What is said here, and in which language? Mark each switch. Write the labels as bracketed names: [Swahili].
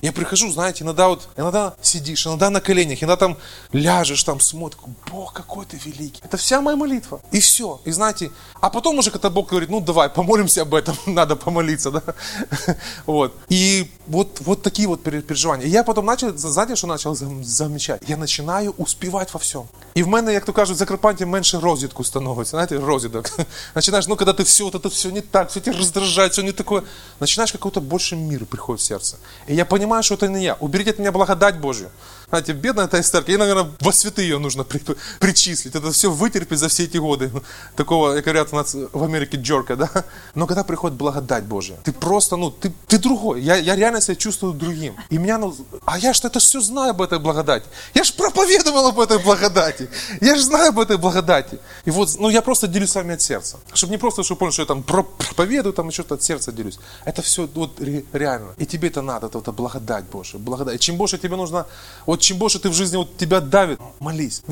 [Russian] Я прихожу, знаете, иногда сидишь, иногда на коленях, иногда там ляжешь, там смотришь, Бог какой ты великий. Это вся моя молитва. И все. И знаете, а потом уже когда Бог говорит, ну давай, помолимся об этом, надо помолиться, да? Вот. И вот такие вот переживания. И я потом начал замечать? Я начинаю успевать во всем. [Ukrainian] И в мене, як то кажуть, в Закарпатті менше розвідку становиться, знаєте, розвідок. Починаєш, ну, коли ти все, от це не так, все тебе роздражає, все не таке. Починаєш, якийсь більший мир приходить в серце. І я розумію, що це не я. Уберіть від мене благодать Божу. Знаєте, бідна та істерка, їй, мабуть, во святи її потрібно причислити. Це все витерпіть за всі ці роки. Такого, як кажуть, у нас в Америці джорка, да? Но коли приходить благодать Божа, ти просто, ну, ти другой. [Russian] Я реально себе чувствую другим. [Ukrainian] І мене, ну, а я ж це все знаю [Russian] об этой благодати. Я ж проповедовал об этой благодати. Я же знаю об этой благодати. И вот, ну, я просто делюсь с вами от сердца. Чтобы не просто, чтобы понять, что я там проповедую, там еще что-то от сердца делюсь. Это все вот реально. И тебе это надо, это благодать Божия. Благодать. И чем больше тебе нужно, вот чем больше ты в жизни, вот тебя давит, молись.